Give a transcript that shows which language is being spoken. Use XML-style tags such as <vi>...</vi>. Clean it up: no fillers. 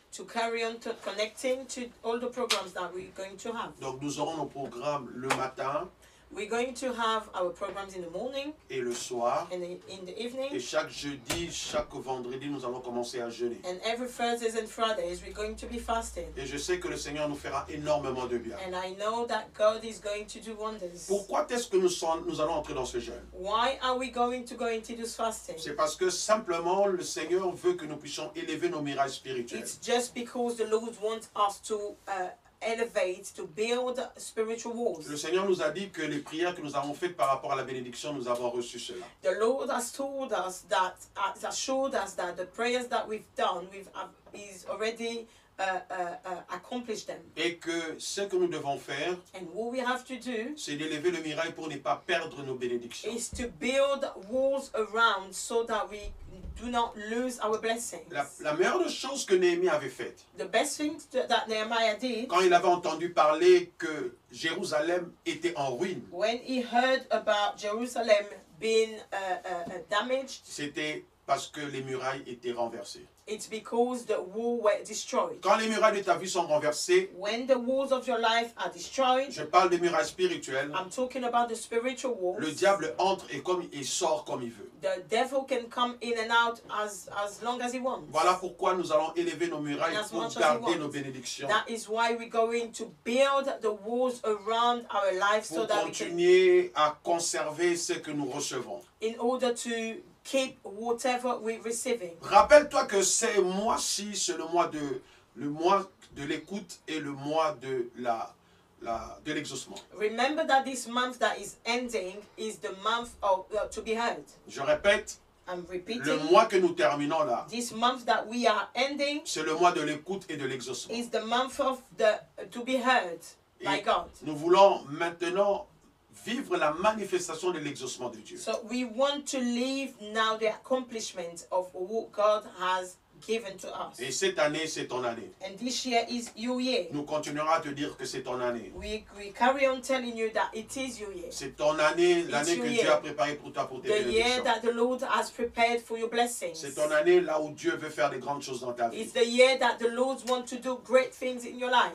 <en>To carry on to connecting to all the programs that we're going to have.</en> <fr>Donc, nous aurons nos programmes le matin.</fr> <en>We're going to have our programs in the morning.</en> <fr>Et le soir.</fr> <en>And in the evening.</en> <fr>Et chaque jeudi, chaque vendredi, nous allons commencer à jeûner.</fr> <en>And every Thursday and Friday, we're going to be fasting.</en> <fr>Et je sais que le Seigneur nous fera énormément de bien.</fr> <en>And I know that God is going to do wonders.</en> <fr>Pourquoi est-ce que nous allons entrer dans ce jeûne?</fr> <en>Why are we going to go into this fasting?</en> <fr>C'est parce que simplement le Seigneur veut que nous puissions élever nos mirages spirituels.</fr> <en>It's just because the Lord wants us to elevate, to build spiritual walls.</en> <fr>Le Seigneur nous a dit que les prières que nous avons faites par rapport à la bénédiction, nous avons reçu cela.</fr> <en>The Lord has told us that, has assured us that the prayers that we've done, is already accomplished them.</en> <fr>Et que ce que nous devons faire,</fr> <en>and what we have to do,</en> <fr>c'est d'élever le mirail pour ne pas perdre nos bénédictions.</fr> <en>Is to build walls around so that we do not lose our blessings.</en> <fr>La meilleure chose que Néhémie avait faite.</fr> <en>The best thing that Nehemiah did.</en> <fr>Quand il avait entendu parler que Jérusalem était en ruine.</fr> <en>When he heard about Jerusalem being damaged.</en> <fr>C'était parce que les murailles étaient renversées.</fr> <en>It's because the walls were destroyed.</en> <fr>Quand les murailles de ta vie sont renversées.</fr> <en>When the walls of your life are destroyed.</en> <fr>Je parle des murailles spirituelles.</fr> <en>I'm talking about the spiritual walls.</en> <fr>Le diable entre et comme il sort comme il veut.</fr> <en>The devil can come in and out as long as he wants.</en> <fr>Voilà pourquoi nous allons élever nos murailles pour garder nos bénédictions.</fr> <en>That is why we're going to build the walls around our life so that we can</en> <fr>continuer à conserver ce que nous recevons.</fr> <en>In order to keep whatever we're receiving.</en> <fr>Rappelle-toi que ces mois-ci, c'est le mois de l'écoute et le mois de de l'exaucement.</fr> <en>Remember that this month that is ending is the month of to be heard.</en> <fr>Je répète.</fr> <en>I'm repeating.</en> <fr>Le mois que nous terminons là.</fr> <en>This month that we are ending.</en> <fr>C'est le mois de l'écoute et de l'exaucement.</fr> <en>Is the month of the to be heard</en> <fr>et</fr> <en>by God.</en> <fr>Nous voulons maintenant vivre la manifestation de l'exaucement de Dieu.</fr> <en>So we want to live now the accomplishment of what God has given to us.</en> <fr>Et cette année, c'est ton année.</fr> <en>And this year is your year.</en> <fr>Nous continuerons à te dire que c'est ton année.</fr> <en>We carry on telling you that it is your year.</en> <fr>C'est ton année, l'année que Dieu a préparée pour toi pour tes bénédictions.</fr> <en>The year that the Lord has prepared for your blessings.</en> <fr>C'est ton année là où Dieu veut faire des grandes choses dans ta vie.</fr> <en>It's the year that the Lord wants to do great things in your life.</en>